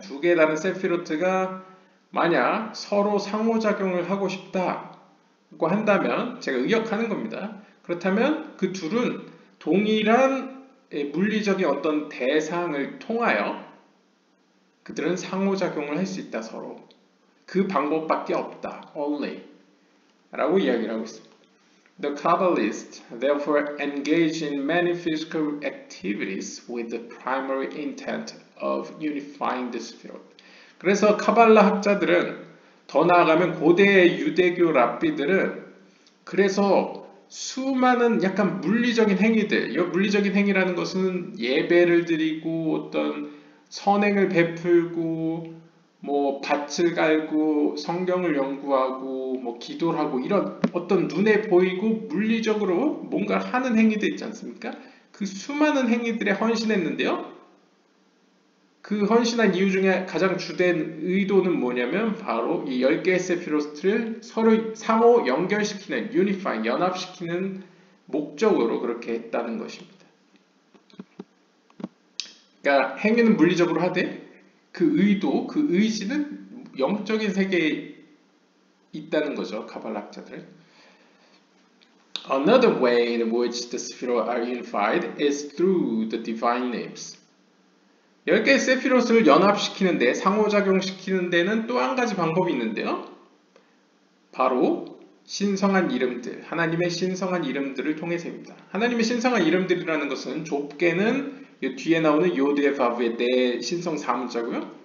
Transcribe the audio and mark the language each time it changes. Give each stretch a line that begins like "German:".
Korean: 두 개의 다른 세피로트가 만약 서로 상호작용을 하고 싶다고 한다면 제가 의역하는 겁니다. 그렇다면 그 둘은 동일한 물리적인 어떤 대상을 통하여 그들은 상호작용을 할 수 있다, 서로. 그 방법밖에 없다, only. 라고 이야기를 하고 있습니다.
English: The Kabbalists therefore engage in many physical activities with the primary intent of unifying the spirit.
Korean: 그래서 카발라 학자들은 더 나아가면 고대 유대교 랍비들은 그래서 수많은 약간 물리적인 행위들, 이 물리적인 행위라는 것은 예배를 드리고 어떤 선행을 베풀고 뭐 밭을 갈고 성경을 연구하고 뭐 기도를 하고 이런 어떤 눈에 보이고 물리적으로 뭔가 하는 행위들 있지 않습니까? 그 수많은 행위들에 헌신했는데요. 그 헌신한 이유 중에 가장 주된 의도는 뭐냐면 바로 이 10개의 세피로스트를 서로 상호 연결시키는, 유니파이, 연합시키는 목적으로 그렇게 했다는 것입니다. 그러니까 행위는 물리적으로 하되 그 의도, 그 의지는 영적인 세계에 있다는 거죠, 카발라 학자들은.
English: Another way in which the spheres are unified is through the divine names.
Korean: 10개의 세피롯을 연합시키는데, 상호작용시키는 데는 또 한 가지 방법이 있는데요. 바로 신성한 이름들, 하나님의 신성한 이름들을 통해서입니다. 하나님의 신성한 이름들이라는 것은 좁게는 이 뒤에 나오는 요드에바브의 내 신성 4문자고요.